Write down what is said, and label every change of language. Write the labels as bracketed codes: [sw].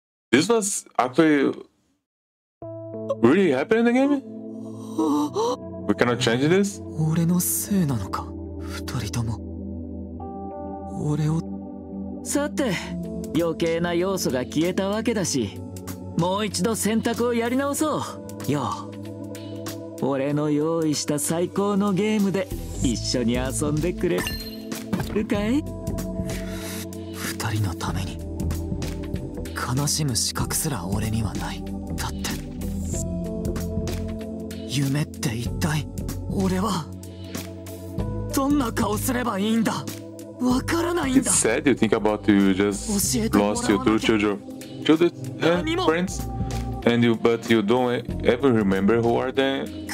[en] This was actually really happening in the game? We cannot change this? [ja] 俺のせいなのか、二人とも。俺を。さて、余計な要素が消えたわけだし、もう一度選択をやり直そう。よう。俺の用意した最高のゲームで一緒に遊んでくれるかい？二人のために。悲しむ資格すら俺にはない。だって夢って一体俺はどんな顔すればいいんだ、わからないんだ。 [en] It's sad you think about you just lost your true children, children and friends and you, but you don't ever remember who are they.